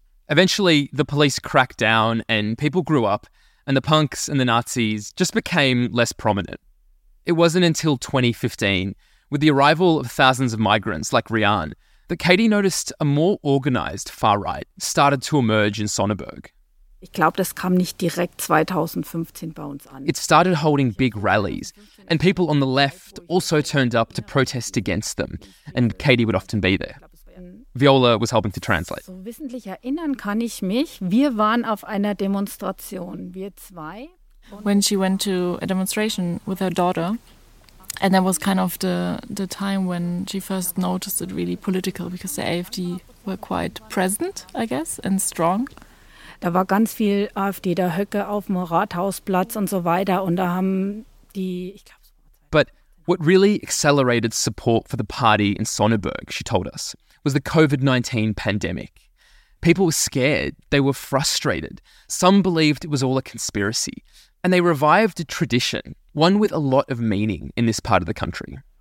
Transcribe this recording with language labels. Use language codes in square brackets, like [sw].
[en] Eventually, the police cracked down and people grew up, and the punks and the Nazis just became less prominent. It wasn't until 2015, with the arrival of thousands of migrants like Rian, that Katie noticed a more organized far right started to emerge in Sonneberg. [de] Ich glaube, das kam nicht direkt 2015 bei uns an. [en] It started holding big rallies, and people on the left also turned up to protest against them, and Katie would often be there. Viola was helping to translate. [de] So wissentlich erinnern kann ich mich, wir waren auf einer Demonstration, wir zwei. [en] When she went to a demonstration with her daughter, and that was kind of the time when she first noticed it really political, because the AfD were quite present, I guess, and strong. [de] Da war ganz viel AfD, der Höcke auf dem Rathausplatz und so weiter, und da haben die... [en] But What really accelerated support for the party in Sonneberg, she told us, was the COVID-19 pandemic. People were scared. They were frustrated. Some believed it was all a conspiracy. And they revived a tradition, one with a lot of meaning in this part of the country.